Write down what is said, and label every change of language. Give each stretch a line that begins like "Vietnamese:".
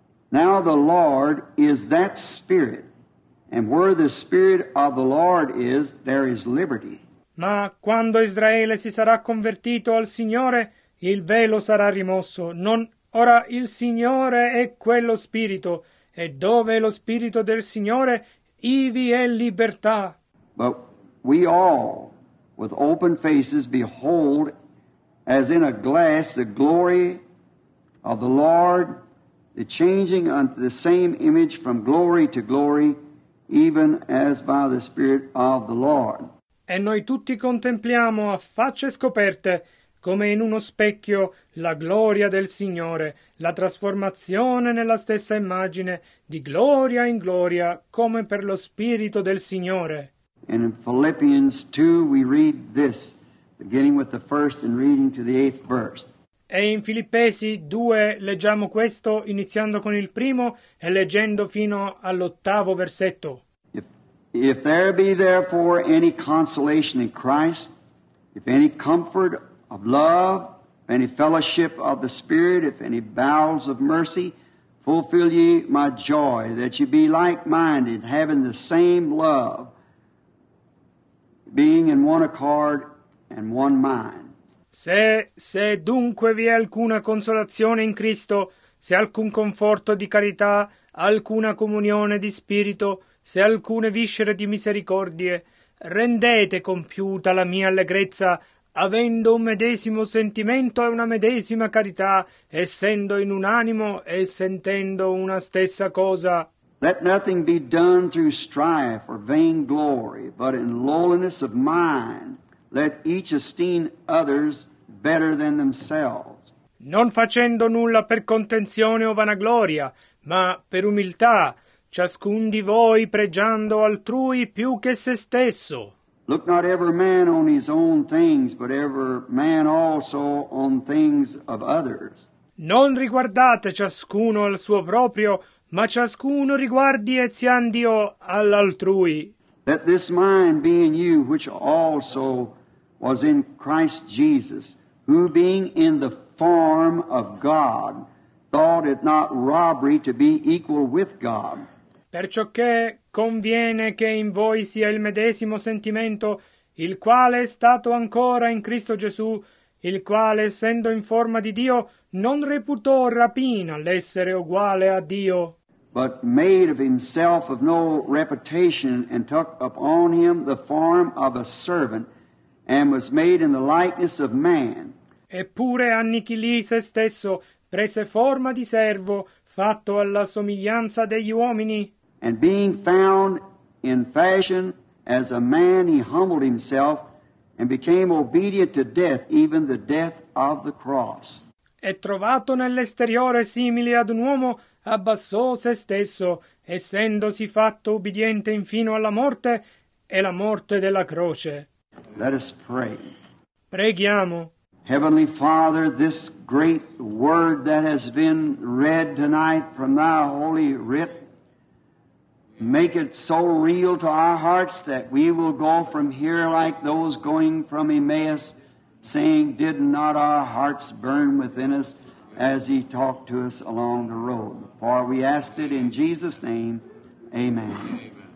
English: Now the Lord is that Spirit, and where the Spirit of the Lord is, there is liberty.
Italian: Ma quando Israele si sarà convertito al Signore, il velo sarà rimosso. Non ora il Signore è quello Spirito, e dove è lo Spirito del Signore, ivi è libertà.
English: But we all, with open faces, behold, as in a glass, the glory of the Lord, the changing unto the same image from glory to glory, even as by the Spirit of the Lord.
Italian: E noi tutti contempliamo a facce scoperte, come in uno specchio, la gloria del Signore, la trasformazione nella stessa immagine, di gloria in gloria, come per lo Spirito del Signore.
English: And in Philippians 2 we read this, beginning with the first and reading to the eighth verse.
Italian: E in Filippesi 2 leggiamo questo, iniziando con il primo e leggendo fino all'ottavo versetto.
English: If there be therefore any consolation in Christ, if any comfort of love, if any fellowship of the Spirit, if any bowels of mercy, fulfill ye my joy, that ye be like-minded, having the same love, being in one accord and one mind.
Italian: Se dunque vi è alcuna consolazione in Cristo, se alcun conforto di carità, alcuna comunione di spirito, se alcune viscere di misericordie, rendete compiuta la mia allegrezza, avendo un medesimo sentimento e una medesima carità, essendo in un animo e sentendo una stessa cosa.
English: Let nothing be done through strife or vain glory, but in lowliness of mind, let each esteem others better than themselves.
Italian: Non facendo nulla per contenzione o vanagloria, ma per umiltà, ciascun di voi pregiando altrui più che se stesso.
English: Look not every man on his own things, but every man also on things of others.
Italian: Non riguardate ciascuno al suo proprio, ma ciascuno riguardi etiandio all'altrui.
English: Let this mind be in you, which also was in Christ Jesus, who being in the form of God, thought it not robbery to be equal with God.
Italian: Perciò che conviene che in voi sia il medesimo sentimento, il quale è stato ancora in Cristo Gesù, il quale, essendo in forma di Dio, non reputò rapina l'essere uguale a Dio.
English: But made of himself of no reputation, and took upon him the form of a servant, and was made in the likeness of man.
Italian: Eppure annichilì se stesso, prese forma di servo, fatto alla somiglianza degli uomini.
English: And being found in fashion as a man, he humbled himself, and became obedient to death, even the death of the cross.
Italian: E trovato nell'esteriore simile ad un uomo, abbassò se stesso, essendosi fatto ubbidiente infino alla morte, e la morte della croce.
English: Let us pray.
Italian: Preghiamo.
English: Heavenly Father, this great word that has been read tonight from thy holy writ, make it so real to our hearts that we will go from here like those going from Emmaus, saying, did not our hearts burn within us as he talked to us along the road? For we asked it in Jesus' name. Amen. Amen.